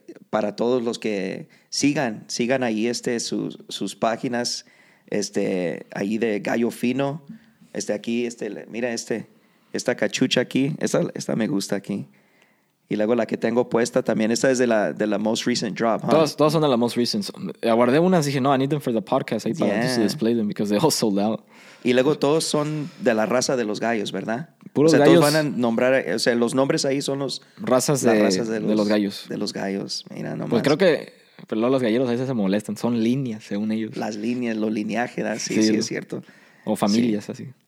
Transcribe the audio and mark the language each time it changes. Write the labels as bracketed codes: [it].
[es] Para todos los que sigan ahí sus páginas, ahí de Galló Fino. Esta cachucha aquí, esta me gusta aquí. Y luego la que tengo puesta también, esta es de la [en] most recent drop, [es] ¿huh? Todas son de la [en] most recent. [es] Aguardé unas, dije, no, [en] I need them for the podcast. I thought just to display them because they all sold out. [es] Y luego todos son de la raza de los gallos, ¿verdad? Puros, o sea, gallos. Todos van a nombrar, o sea, los nombres ahí son los... Razas de los gallos. De los gallos, mira nomás. Pues creo que, pero luego los galleros a veces se molestan, son líneas según ellos. Las líneas, los linajes, ¿verdad? Sí, es cierto. O familias, sí. Así.